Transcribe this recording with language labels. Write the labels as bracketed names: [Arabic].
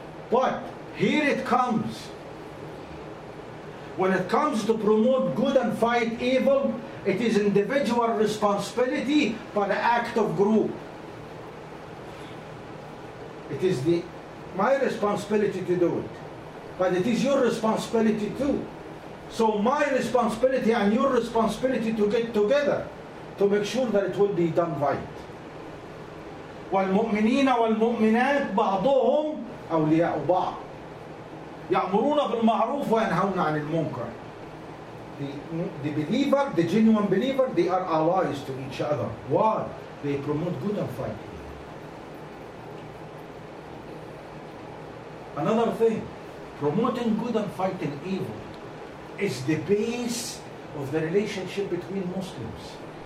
[English] But here it comes. When it comes to promote good and fight evil, it is individual responsibility for the act of group. It is my responsibility to do it. But it is your responsibility too. So my responsibility and your responsibility to get together to make sure that it will be done right. [Arabic] والمؤمنين والمؤمنات بعضهم أولياء بعض يأمرون بالمعروف وينهون عن المنكر. [English] The believer, the genuine believer, they are allies to each other. Why? They promote good and fight. Another thing, promoting good and fighting evil is the base of the relationship between Muslims.